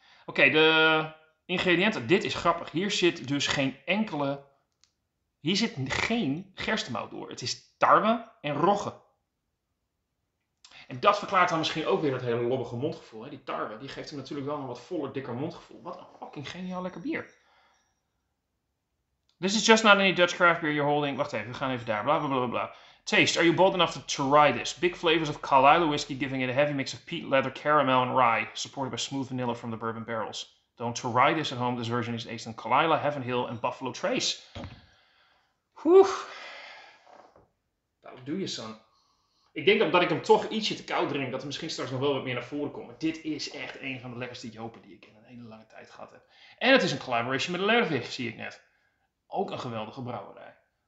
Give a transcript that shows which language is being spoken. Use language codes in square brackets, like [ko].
[nl] Oké, de ingrediënten. Dit is grappig. Hier zit dus geen enkele... Hier zit geen gerstemout door. Het is tarwe en rogge. En dat verklaart dan misschien ook weer dat hele lobbige mondgevoel. Hè? Die tarwe, die geeft hem natuurlijk wel een wat voller, dikker mondgevoel. Wat een fucking geniaal lekker bier. [en] This is just not any Dutch craft beer you're holding. [nl] Wacht even, we gaan even daar. [en] Bla bla bla bla. Taste, are you bold enough to try this? Big flavors of Kalila whiskey giving it a heavy mix of peat, leather, caramel and rye. Supported by smooth vanilla from the bourbon barrels. Don't try this at home. This version is aged in Kalila, Heaven Hill and Buffalo Trace. [nl] Oeh, dat doe je, son. Ik denk omdat ik hem toch ietsje te koud drink, dat er misschien straks nog wel wat meer naar voren komt. Dit is echt een van de lekkerste jopen die ik in een hele lange tijd gehad heb. En het is een collaboration met Lervig, zie ik net. Ook een geweldige brouwerij.